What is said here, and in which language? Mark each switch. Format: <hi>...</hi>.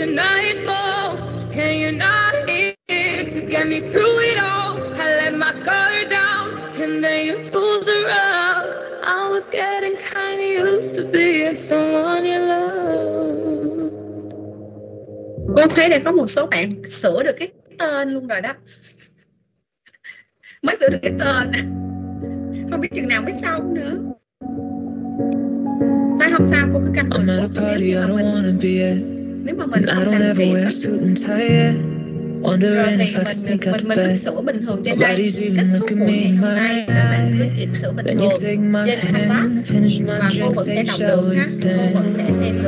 <en>tonight fall, and you're not here to get me through it all. I let my guard down, and then you pulled the rug. I was getting kinda used to being someone you love.</en> <vi>Con thấy là có một số bạn sửa được cái tên luôn rồi đó. Mới sửa được cái tên. Không biết chừng nào mới xong nữa.</vi> <en>I'm at a party I don't wanna be at. I don't ever wear a suit and tie yet. Wondering if I sneak out of bed. Nobody's even looking me in my eyes. Then you take my hand, finish my drink, say shall we dance?</en>